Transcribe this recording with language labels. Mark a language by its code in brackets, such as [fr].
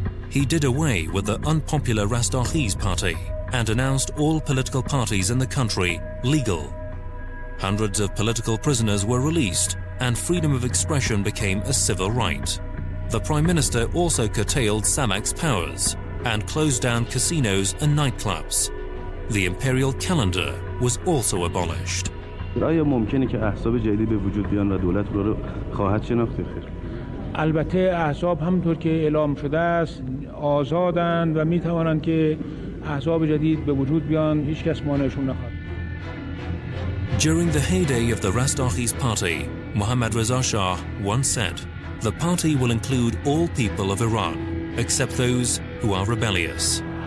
[en] He did away with the unpopular Rastakhiz Party and announced all political parties in the country legal. Hundreds of political prisoners were released and freedom of expression became a civil right. The Prime Minister also curtailed Samak's powers and closed down casinos and nightclubs. The imperial calendar was also abolished. [fa] آیا ممکنه که احزاب جدیدی به وجود بیان و دولت رو خواهد شناخت؟ البته احزاب همونطور که اعلام شده است آزادند و می توانند که احزاب جدید به وجود بیان، هیچ کس مانعشون نخواهد. [en] During the heyday of the Rastakhiz Party, Mohammad Reza Shah once said, "The party will include all people of Iran except those who are rebellious."